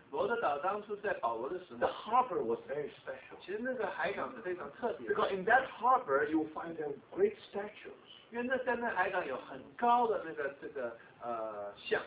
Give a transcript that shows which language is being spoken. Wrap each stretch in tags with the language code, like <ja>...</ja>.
<zh>罗德岛当初在保罗的时候</zh> <en>the harbor was very special.</en> <zh>其实那个海港是非常特别的。</zh> <en>Because in that harbor, you will find a great statue.</en> <zh>因为在那海港有很高的那个这个像。</zh>